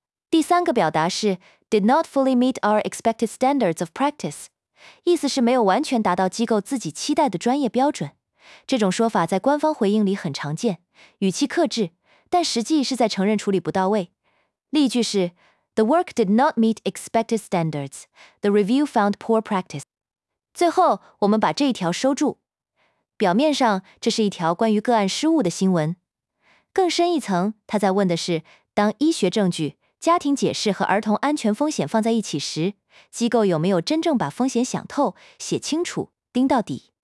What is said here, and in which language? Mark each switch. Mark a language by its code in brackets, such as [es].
[zh] 第三个表达是 [en] did not fully meet our expected standards of practice. [zh] 意思是没有完全达到机构自己期待的专业标准。这种说法在官方回应里很常见，语气克制，但实际是在承认处理不到位。例句是 [en] The work did not meet expected standards. The review found poor practice. [zh] 最后，我们把这一条收住。表面上，这是一条关于个案失误的新闻。更深一层，他在问的是，当医学证据、家庭解释和儿童安全风险放在一起时，机构有没有真正把风险想透、写清楚、盯到底。